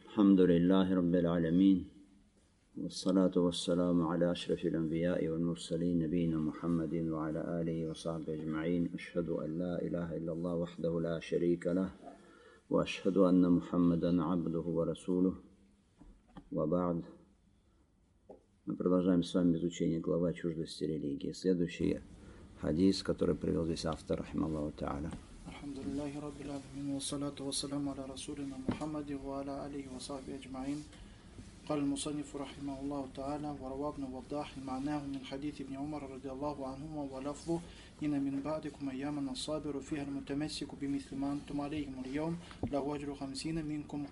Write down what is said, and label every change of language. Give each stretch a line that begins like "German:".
Arabic: الحمد لله رب العالمين، والصلاة والسلام على أشرف الأنبياء والمرسلين نبينا محمد وعلى آله وصحبه أجمعين. أشهد أن لا إله إلا الله وحده لا شريك له، وأشهد أن محمدا عبده ورسوله. وبعد،
Russian: мы продолжаем с вами изучение главы чуждости религии. Следующий хадис, который привел здесь автор, рахималлаху тааля.
Arabic: الحمد لله رب العالمين والصلاة والسلام على رسولنا محمد وعلى آله وصحبه أجمعين. قال المصنف رحمه الله تعالى وروى ابن وضاح معناه من حديث ابن عمر رضي الله عنهما ولفظه إن من بعدكم أياما الصابر فيها المتمسك بمثل ما أنتم عليهم اليوم له أجر 50 منكم.